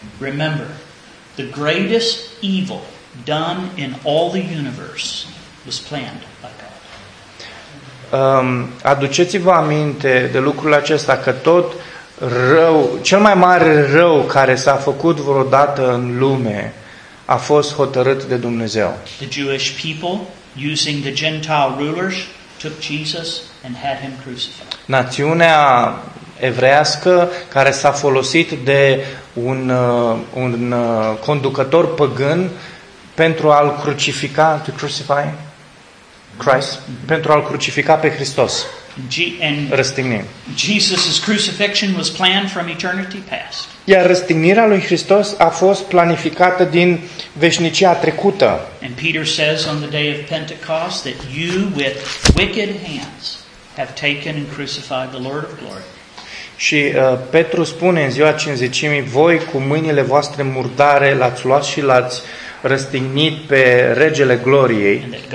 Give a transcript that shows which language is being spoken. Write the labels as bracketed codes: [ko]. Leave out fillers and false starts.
[en] Remember, the greatest evil done in all the universe was planned by God. [ro] Aduceți-vă aminte de lucrul acesta, că tot rău, cel mai mare rău care s-a făcut vreodată în lume a fost hotărât de Dumnezeu. [en] The Jewish people using the Gentile rulers took Jesus and had him crucified. [ro] Națiunea evrească care s-a folosit de un conducător păgân pentru a-l crucifica, [en] to crucify Christ, [ro] pentru a-l crucifica pe Hristos. Răstignim. [en] Jesus's crucifixion was planned from eternity past. [ro] Iar răstignirea lui Hristos a fost planificată din veșnicia trecută. [en] And Peter says on the day of Pentecost that you with wicked hands have taken and crucified the Lord of glory. [ro] Și Petru spune în ziua cinzecimii, voi cu mâinile voastre murdare l-ați luat și l-ați răstignit pe regele gloriei.